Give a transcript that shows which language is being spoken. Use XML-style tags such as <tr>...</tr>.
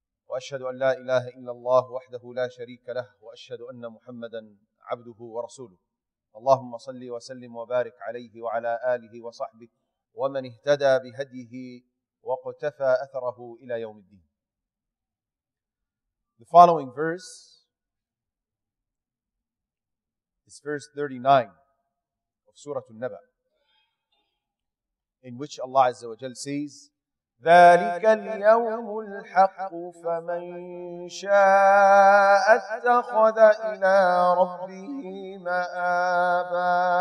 <ar>وأشهد أن لا إله إلا الله وحده لا شريك له، وأشهد أن محمدًا عبده ورسوله. اللهم صلِّ وسلِّم وبارِك عليه وعلى آله وصحبه ومن اهتدى بهديه واقتفى أثره إلى يوم الدين.</ar> <en>The following verse is verse 39 of Surah An-Naba, in which Allah Azza wa Jal says,</en> <ar>ذلك اليوم الحق فمن شاء اتخذ إلى ربه مآبا.</ar>